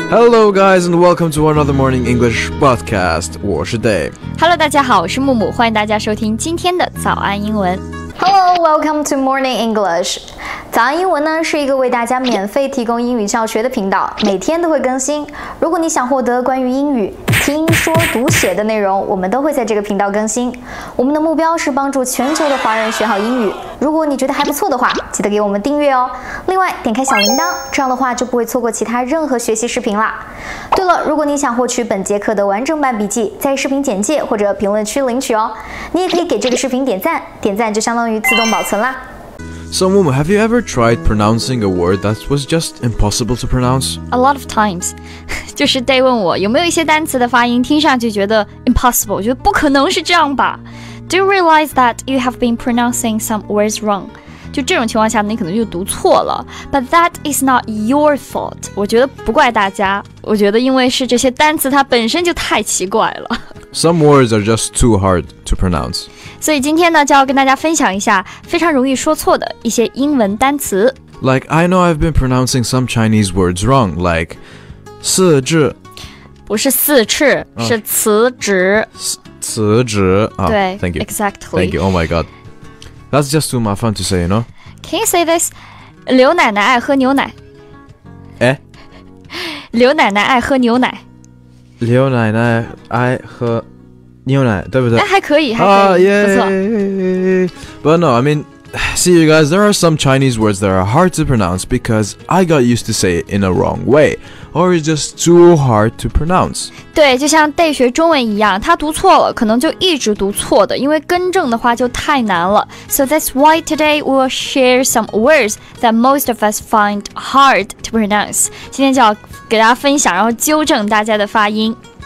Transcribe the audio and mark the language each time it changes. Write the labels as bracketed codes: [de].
[en] Hello, guys, and welcome to another Morning English podcast. 我是 Dave. [zh] Hello, 大家好，我是木木，欢迎大家收听今天的早安英文。 [en] Hello, welcome to Morning English. [zh] 早安英文呢是一个为大家免费提供英语教学的频道，每天都会更新。如果你想获得关于英语听说读写的内容，我们都会在这个频道更新。我们的目标是帮助全球的华人学好英语。如果你觉得还不错的话，记得给我们订阅哦。另外，点开小铃铛，这样的话就不会错过其他任何学习视频啦。对了，如果你想获取本节课的完整版笔记，在视频简介或者评论区领取哦。你也可以给这个视频点赞，点赞就相当于自动保存啦。 [en] So, Mumu, have you ever tried pronouncing a word that was just impossible to pronounce? A lot of times. [zh] 就是 Day 问我有没有一些单词的发音听上去觉得 impossible, 觉得不可能是这样吧。 [en] Do you realize that you have been pronouncing some words wrong? [zh] 就这种情况下你可能就读错了。 [en] But that is not your fault. [zh] 我觉得不怪大家。我觉得因为是这些单词它本身就太奇怪了。 [en] Some words are just too hard to pronounce. [zh] 所以今天呢就要跟大家分享一下非常容易说错的一些英文单词。 [en] Like, I know I've been pronouncing some Chinese words wrong, like 四肢。 [zh] 不是四翅、是辞职。辞职、对 [en] thank you. Exactly. Thank you, oh my god. That's just too much fun to say, you know? Can you say this? [zh] 刘奶奶爱喝牛奶。诶？刘奶奶爱喝牛奶。刘奶奶爱喝牛奶，对不对？还可以，还可以，不错。 [en] But no, I mean, see you guys, there are some Chinese words that are hard to pronounce because I got used to say it in a wrong way, or it's just too hard to pronounce. [zh] 对，就像 Day 学中文一样，他读错了，可能就一直读错的，因为更正的话就太难了。 [en] So that's why today we'll share some words that most of us find hard to pronounce. [zh] 今天就要给大家分享，然后纠正大家的发音。